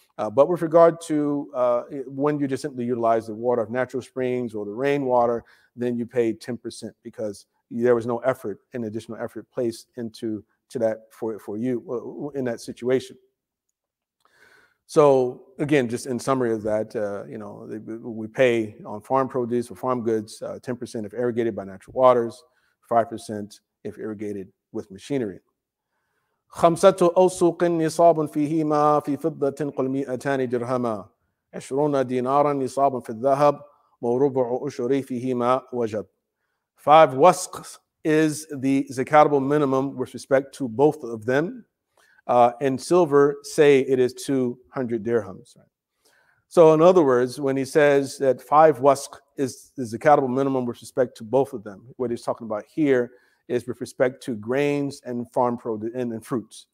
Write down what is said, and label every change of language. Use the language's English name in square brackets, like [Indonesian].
[English] But with regard to when you just simply utilize the water of natural springs or the rainwater, then you pay 10% because there was no effort, an additional effort placed into that for you in that situation. So again, just in summary of that, you know, we pay on farm produce or farm goods, 10% if irrigated by natural waters, 5% if irrigated with machinery. [Arabic] خمسة أوسق نصاب فيهما في فضة قل مئتان درهما عشرون دينارا نصاب في الذهب وربع أشر فيهما وجب. [English] Five wasqs is the zakatable minimum with respect to both of them. In silver, say it is 200 dirhams. So in other words, when he says that five wasq is the zakatable minimum with respect to both of them, what he's talking about here is with respect to grains and farm produce and fruits.